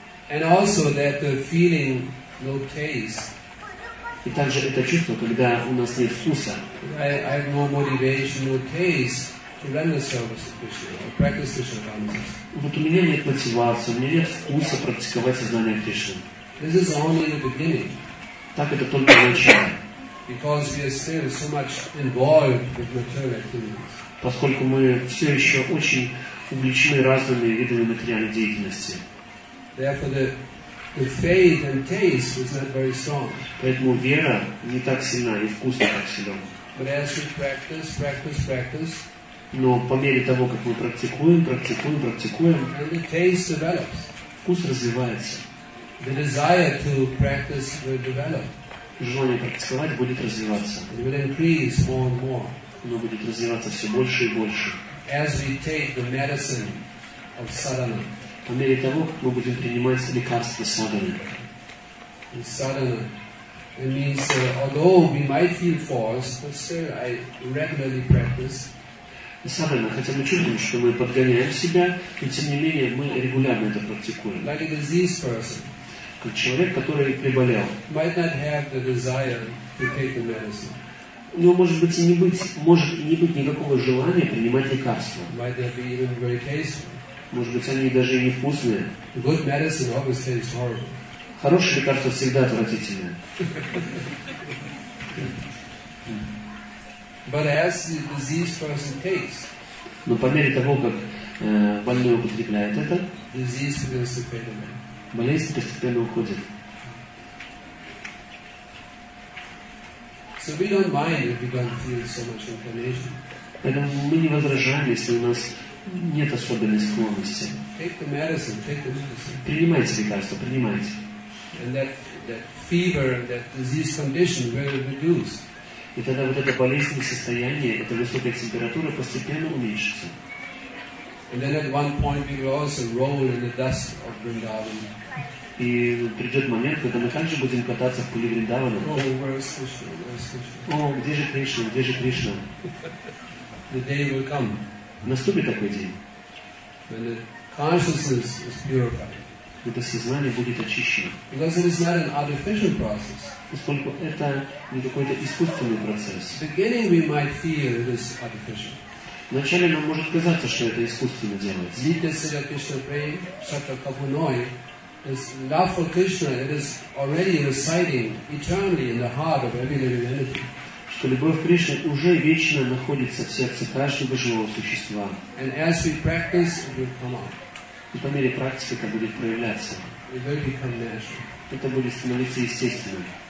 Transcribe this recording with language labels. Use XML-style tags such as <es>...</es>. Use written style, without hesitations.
<en>And also that the feeling no taste.</en> <ru>И также это чувство, когда у нас нет вкуса.</ru> <en>I have no motivation, no taste to render service to Krishna or practice Krishna consciousness.</en> <ru>Вот у меня нет мотивации, у меня нет вкуса практиковать сознание Кришны.</ru> <en>This is only the beginning.</en> <ru>Так это только начало.</ru> <en>Because we are still so much involved with material activities.</en> <ru>Поскольку мы все еще очень увлечены разными видами материальной деятельности.</ru> <en>Therefore, the faith and taste is not very strong.</en> <ru>Поэтому вера не так сильна и вкус не так силен.</ru> <en>But as we practice.</en> <ru>Но по мере того, как мы практикуем,</ru> <en>and the taste develops.</en> <ru>Вкус развивается.</ru> <en>The desire to practice will develop.</en> <ru>Желание практиковать будет развиваться.</ru> <en>It will increase more and more.</en> <ru>Оно будет развиваться все больше и больше.</ru> <en>As we take the medicine of sadhana.</en> <ru>По мере того, как мы будем принимать лекарства садхана.</ru> <en>In sadhana, it means although we might feel forced, but still I regularly practice.</en> <ru>Садхана, хотя мы чувствуем, что мы подгоняем себя, но тем не менее мы регулярно это практикуем.</ru> <en>Like a diseased person.</en> <ru>Как человек, который приболел.</ru> <en>Might not have the desire to take the medicine.</en> <ru>У него может быть и не быть, может не быть никакого желания принимать лекарства.</ru> <en>Might that be even very tasty?</en> <ru>Может быть, они даже и невкусные.</ru> <en>Good medicine always tastes horrible.</en> <ru>Хорошие лекарства всегда отвратительные.</ru> <en>But as the diseased person takes.</en> <ru>Но по мере того, как больной употребляет это,</ru> <en>disease begins to fade away.</en> <ru>Болезнь постепенно уходит.</ru> <en>So we don't mind if we don't feel so much inclination.</en> <ru>Поэтому мы не возражаем, если у нас нет особенной склонности.</ru> <en>Take the medicine, take the medicine.</en> <ru>Принимайте лекарство, принимайте.</ru> <en>And that fever, that disease condition will reduce.</en> <ru>И тогда вот это болезненное состояние, эта высокая температура постепенно уменьшится.</ru> <en>And then at one point we will also roll in the dust of Vrindavan.</en> <ru>И придет момент, когда мы также будем кататься в пыли Вриндавана.</ru> <en>Oh, where is Krishna? Where is Krishna?</en> <ru>О, где же Кришна? Где же Кришна?</ru> <en>The day will come.</en> <ru>Наступит такой день.</ru> <en>When the consciousness is purified.</en> <ru>Это сознание будет очищено.</ru> <en>Because it is not an artificial process.</en> <ru>Поскольку это не какой-то искусственный процесс.</ru> <en>Beginning we might feel it is artificial.</en> <ru>Вначале нам может казаться, что это искусственно делается.</ru> <sa>Дитя Сидхи Кришна Прей, Шатра Капуной,</sa> <en>is love for Krishna, it is already residing eternally in the heart of every living entity.</en> <ru>Что любовь к Кришне уже вечно находится в сердце каждого живого существа.</ru> <en>And as we practice, it will come out.</en> <ru>И по мере практики это будет проявляться.</ru> <en>It will become natural.</en> <ru>Это будет становиться естественным.</ru>